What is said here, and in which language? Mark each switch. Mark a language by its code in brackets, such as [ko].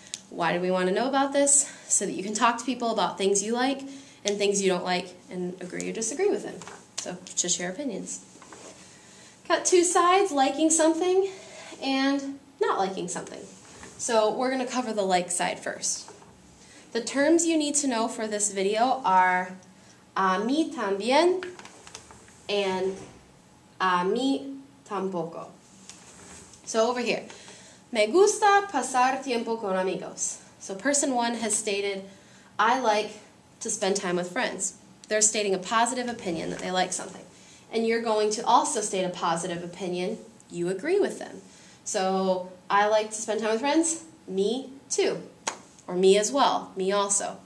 [en] Why do we want to know about this? So that you can talk to people about things you like and things you don't like and agree or disagree with them. So, to share opinions. Got two sides, liking something and not liking something. So, we're going to cover the like side first. The terms you need to know for this video are a mí también and a mí tampoco. So over here, [es] me gusta pasar tiempo con amigos. [en] So person one has stated, I like to spend time with friends. They're stating a positive opinion that they like something. And you're going to also state a positive opinion. You agree with them. So I like to spend time with friends. Me too. Or me as well. Me also.